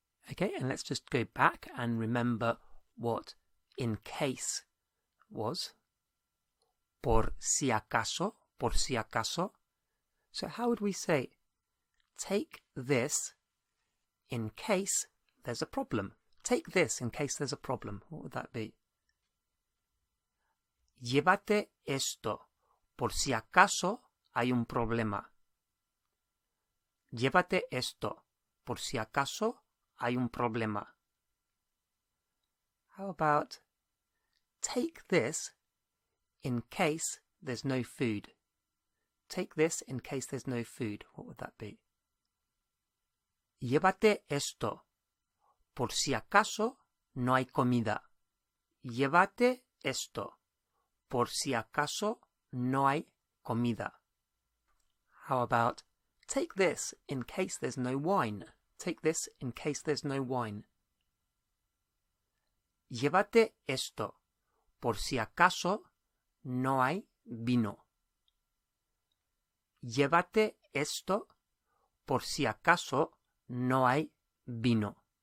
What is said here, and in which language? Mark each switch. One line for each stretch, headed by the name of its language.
English: Okay, and let's just go back and remember what in case was.
Spanish: Por si acaso, por si acaso.
English: So how would we say, take this in case there's a problem? Take this in case there's a problem. What would that be?
Spanish: Llévate esto por si acaso hay un problema. Llévate esto por si acaso hay un problema.
English: How about take this in case there's no food? Take this in case there's no food. What would that be?
Spanish: Llévate esto por si acaso no hay comida. Llévate esto por si acaso no hay comida.
English: How about take this in case there's no wine? Take this in case there's no wine.
Spanish: Llévate esto por si acaso no hay vino. Llévate esto por si acaso no hay vino.